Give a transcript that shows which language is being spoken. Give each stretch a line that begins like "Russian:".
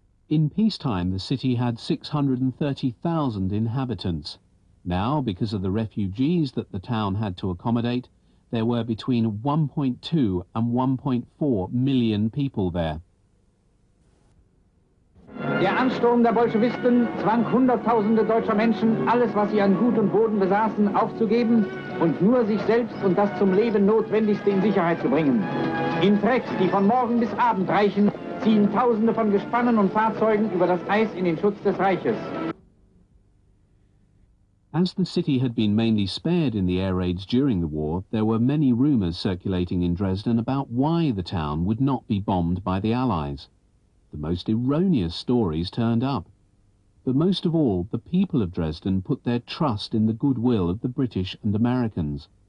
English: In peacetime, the city had 630,000 inhabitants. Now, because of the refugees that the town had to accommodate, there were between 1.2 and 1.4 million people there.
German: Der Ansturm der Bolschewisten zwang Hunderttausende deutscher Menschen, alles, was sie an Gut und Boden besaßen, aufzugeben und nur sich selbst und das zum Leben Notwendigste in Sicherheit zu bringen. In Trecks, die von Morgen bis Abend reichen, ziehen Tausende von Gespannen und Fahrzeugen über das Eis in den Schutz des Reiches.
English: As the city had been mainly spared in the air raids during the war, there were many rumors circulating in Dresden about why the town would not be bombed by the Allies. The most erroneous stories turned up. But most of all, the people of Dresden put their trust in the goodwill of the British and Americans.